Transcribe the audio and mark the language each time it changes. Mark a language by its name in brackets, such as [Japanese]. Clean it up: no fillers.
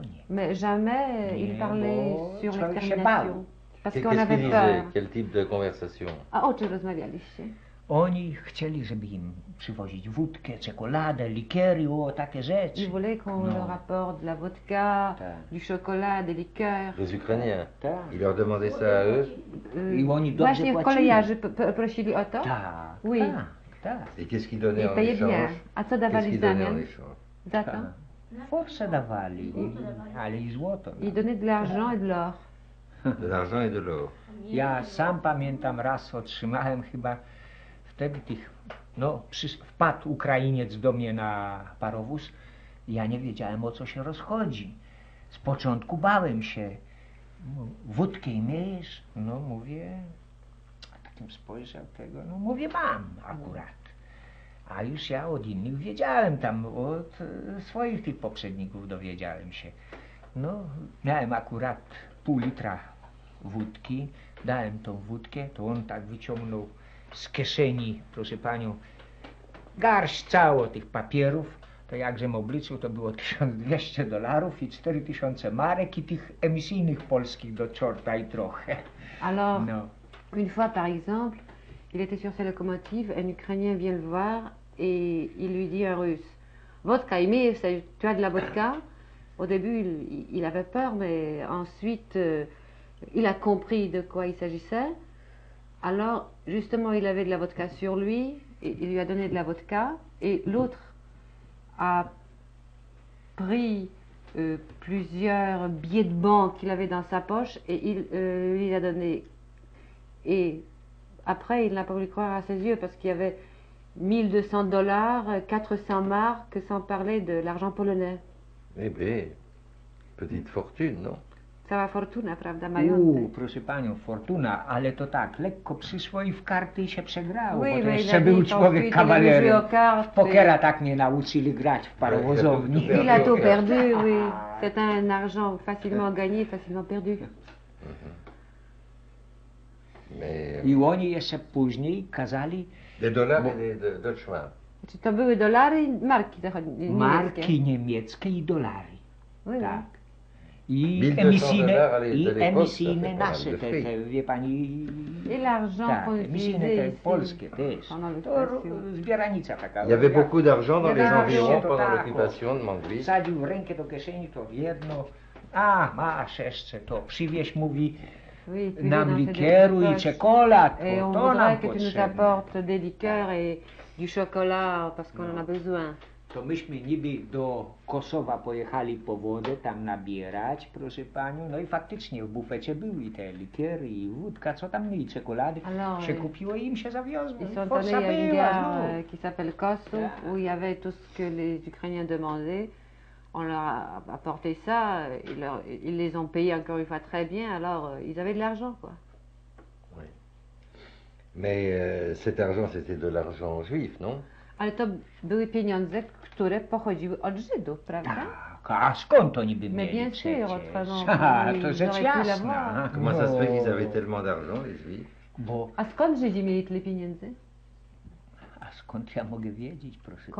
[French] Mais jamais il parlait sur l'extermination. Parce qu'on avait peur. Quel type de conversation? [Polish] O czym rozmawialiście? Oni chcieli, żeby im przywozić wódkę, czekoladę, likery, o takie rzeczy. [French] Ils voulaient qu'on leur apporte de la vodka, du chocolat, des liqueurs. Les Ukrainiens. Ils leur demandaient ça à eux. [Polish] Właśnie kolejarzy prosili o to. Tak. [French] Oui. Et qu'est-ce qu'ils donnaient en échange? [Polish] A co dawali w zamian? Za to? Forse dawali, ale i złoto. [French] Ils donnaient de l'argent et de l'or. De l'argent et de l'or. [Polish] Ja sam pamiętam raz otrzymałem chyba. Wtedy tych, no, wpadł Ukrainiec do mnie na parowóz. Ja nie wiedziałem, o co się rozchodzi. Z początku bałem się. Wódkę imiesz? No, mówię. A takim spojrzał tego, no, mówię, mam akurat. A już ja od innych wiedziałem tam, od swoich tych poprzedników dowiedziałem się. No, miałem akurat pół litra wódki. Dałem tą wódkę, to on tak wyciągnął z kieszeni, proszę panią, garść cało tych papierów, to jakżem obliczył, to było 1200 dolarów i 4000 marek i tych emisyjnych polskich do czorta i trochę. [French] Alors, no. Une fois par exemple, il était sur sa locomotive, un Ukrainien vient le voir et il lui dit en russe, vodka, imis, tu as de la vodka? Au début, il avait peur, mais ensuite, il a compris de quoi il s'agissait. Alors, justement, il avait de la vodka sur lui, et il lui a donné de la vodka, et l'autre a pris plusieurs billets de banque qu'il avait dans sa poche, et il lui a donné. Et après, il n'a pas voulu croire à ses yeux, parce qu'il y avait 1200 dollars, 400 marques, sans parler de l'argent polonais. Eh bien, petite fortune, non? [Polish] Cała fortuna, prawda, majątek. Proszę panią, fortuna, ale to tak, lekko przyszło i w karty się przegrało. [French] Oui, [Polish] bo to jeszcze był człowiek kawalerem. Pokera tak mnie nauczyli grać w parowozowni. [French] Il a tout perdu, oui. C'est un argent facilement gagné, facilement perdu. [Polish] I oni jeszcze później kazali. De dolary, de Deutschmark. Czy to były dolary i marki zachodnie? Marki niemieckie i dolary. [French] Oui, [Polish] tak. [French] Oui. [Polish] I emisyjne nasze, wie pani, emisyjne te polskie też, to zbieranica taka. [French] Il y avait beaucoup d'argent dans les environs pendant l'occupation de Mongolie. [Polish] Wsadził rękę do kieszeni, to jedno, a masz jeszcze to, przywieź, mówi, nam likieru i czekolad, to nam potrzebne. [French] Et on voudrait que tu nous apportes des liqueurs et du chocolat, parce qu'on en a besoin. [Polish] To myśmy niby do Kosowa pojechali po wodę tam nabierać, proszę panią. No i faktycznie w bufecie były te likiery i wódka, co tam, i czekolady. [French] Alors, [Polish] się kupiło i im się zawiozło. Są to Forza była, no. [French] Qui s'appelle Kosów, où il y avait tout ce que les Ukrainiens demandaient. On leur a apporté ça, ils les ont payés encore une fois très bien, alors ils avaient de l'argent, quoi. Oui. Mais cet argent, c'était de l'argent juif, non? [Polish] Ale to były pieniądze, które pochodziły od Żydów, prawda? Tak, a skąd oni by mieli przecież? My więcej otworzą. To rzecz jasna. [French] Comment ça se fait qu'ils avaient tellement d'argent, les Juifs? [Polish] A skąd Żydzi mieli tyle pieniędzy? A skąd ja mogę wiedzieć, proszę